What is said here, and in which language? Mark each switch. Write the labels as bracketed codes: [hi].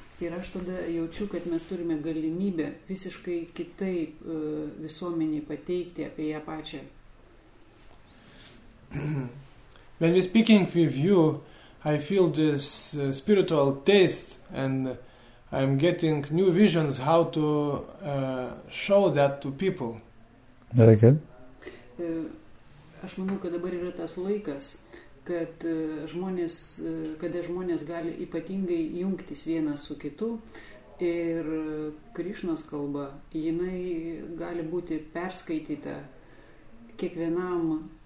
[lt] Ir aš tada jaučiu, kad mes turime galimybę visiškai kitaip visuomenį pateikti apie ją pačią. [en] When we're speaking with you, I feel this spiritual taste and I'm getting new visions how to show that to people. Very good. [lt] Aš manau, kad dabar yra tas laikas, kad žmonės, kada žmonės gali ypatingai jungtis vienas su kitu ir Krišnos kalba, jinai gali būti perskaityta kiekvienam